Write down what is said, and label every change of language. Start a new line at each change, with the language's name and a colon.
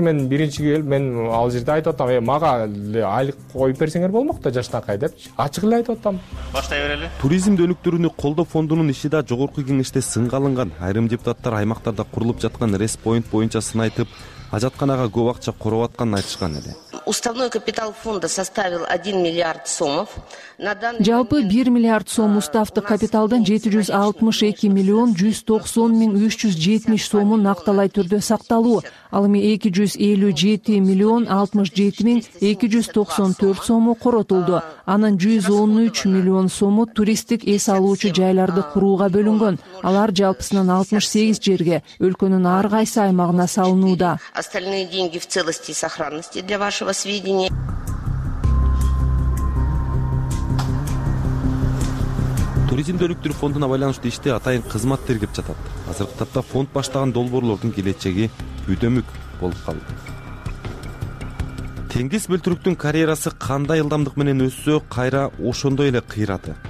Kyrgyz: Мен биринчи келип, мен ал жерде айтып атам, мага айлык коюп берсеңер болмок да жаштакай депчи. Ачык эле айтып атам. Баштай берели. Туризмди өнүктүрүүнү колдоо фондунун иши да жогорку кеңеште сынга алынган. Айрым депутаттар аймактарда курулуп жаткан респойнт боюнча сын айтып, ажатканага көп акча короп атканын айтышкан эле.
Russian: Уставной капитал фонда составил 1 миллиард сомов.
Kyrgyz: Жалпы 1 миллиард сом уставтык капиталдын 762 миллион 190 миң 370 сому накталай түрдө сакталуу. Ал эми 257 миллион 67 миң 294 сому коротулду. Анын 113 миллион сому туристтик эс алуучу жайларды курууга бөлүнгөн. Алар жалпысынан 68 жерге өлкөнүн ар кайсы аймагына салынууда.
Russian: Остальные деньги в целости и сохранности для вашего сведения.
Kyrgyz: Туризмди өнүктүрүү фондуна байланыштуу иште атайын кызмат тергеп жатат. Азыркы тапта фонд баштаган долбоорлордун келечеги бүдөмүк болуп калды. Тенгиз Бөлтүрктүн карьерасы кандай ылдамдык менен өссө, кайра ошондой эле кыйрады.